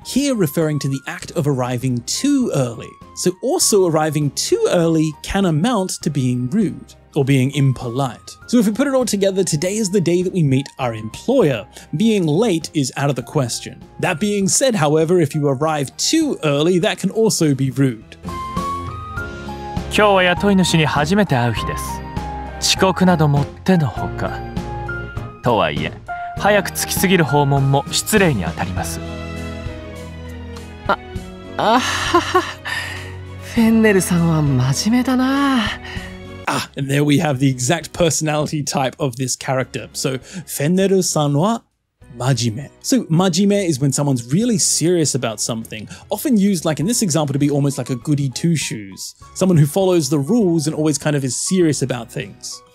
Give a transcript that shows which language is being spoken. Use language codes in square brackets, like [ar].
[en] Here referring to the act of arriving too early. So also arriving too early can amount to being rude or being impolite. So if we put it all together, today is the day that we meet our employer. Being late is out of the question. That being said, however, if you arrive too early, that can also be rude. [ja] 今日は雇い主に初めて会う日です。遅刻などもってのほか。とはいえ、早く着きすぎる訪問も失礼に当たります。あ、あはは、フェンネルさんは真面目だな。 [en] Ah, and there we have the exact personality type of this character. So, [ja] Fenneru-san wa majime. [en] So, majime is when someone's really serious about something, often used like in this example to be almost like a goody two-shoes. Someone who follows the rules and always kind of is serious about things.